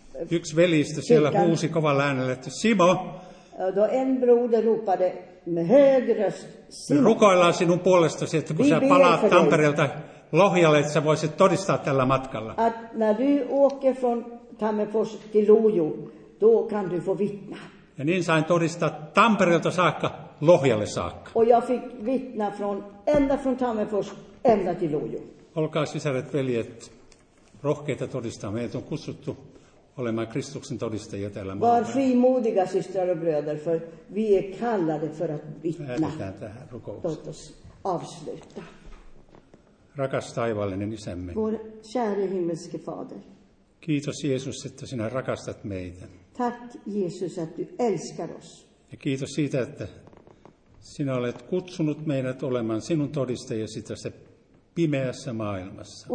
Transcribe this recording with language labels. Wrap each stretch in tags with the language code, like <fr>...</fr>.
<fi>yksi velistä siellä huusi kovalla äänellä, että Simo!</fi> <sv>Då en broder ropade med hög röst.</sv> <fi>Me rukoillaan sinun puolestasi, että kun sä palaat Tampereelta Lohjalle, että sä voisit todistaa tällä matkalla.</fi> <sv>Att när du åker från Tammerfors till Lojo, då kan du få vittna.</sv> <fi>Ja niin sain todistaa Tampereelta saakka Lohjalle saakka.</fi> <sv>Och jag fick vittna ända från Tammerfors ända till Lojo.</sv> <fi>Olkaa sisaret veljet, rohkeita todistaa. Meidät on kutsuttu olemaan Kristuksen todistajia täällä maailmaa.</fi> <sv>Var frimodiga, systrar och bröder, för vi är kallade för att vittna.</sv> <fi>Päätetään tähän rukoukseen.</fi> <sv>Låt oss avsluta.</sv> <fi>Rakas taivallinen isämme.</fi> <sv>Vår käre himmelske fader.</sv> <fi>Kiitos Jeesus, että sinä rakastat meitä.</fi> <sv>Tack Jesus att du älskar oss.</sv> <fi>Ja kiitos siitä, että sinä olet kutsunut meidät olemaan sinun todistajasi tässä pimeässä maailmassa.</fi>